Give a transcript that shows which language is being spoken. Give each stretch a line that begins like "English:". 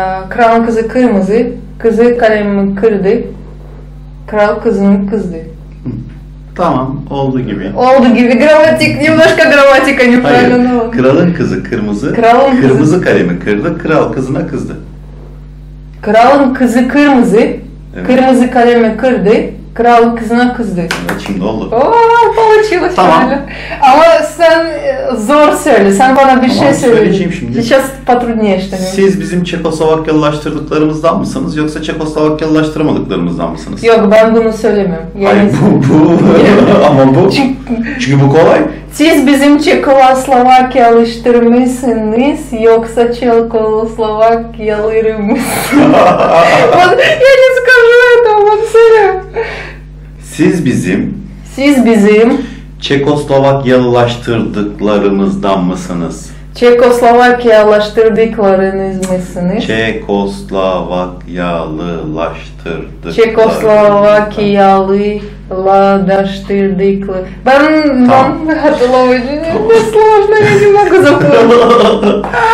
Turkish: Kralın kızı kırmızı, kızı kalemi kırdı, kral kızını kızdı. Tamam, oldu gibi. Oldu gibi, gramatik,
Russian: немножко грамматика неправильно.
Turkish: Hayır, kralın kızı kırmızı, kralın kırmızı kalemi kırdı, kral kızına kızdı. Kralın kızı kırmızı, kırmızı kalemi kırdı, kral kızına kızdı. Evet, şimdi oldu.
Russian: Ooo, получилось.
Turkish: Tamam. Ama sen zor söyle, sen bana bir şey söyle. Tamam, söyleyeceğim şimdi.
Russian: Сейчас потруднее, что ли.
Turkish: Siz bizim Çekoslovakyalılaştırdıklarımızdan mısınız, yoksa Çekoslovakyalılaştıramadıklarımızdan mısınız? Yok, ben bunu söylemiyorum. Hayır, bu. Ama bu. Çünkü bu kolay. Siz bizim Çekoslovakyalılaştırmışsınız, yoksa Çekoslovakyalılaştırmışsınız.
Russian: Я не скажу это, вот серьёзно.
Turkish: Siz bizim Çekoslovakyalılaştırdıklarımızdan mısınız? Çekoslovakyalılaştırdıklarınız mısınız? Çekoslovakyalılaştırdık. Çekoslovakyalılaştırdıklar. Ben hatırlamıyorum.
Russian: Сложно, я не могу запомнить.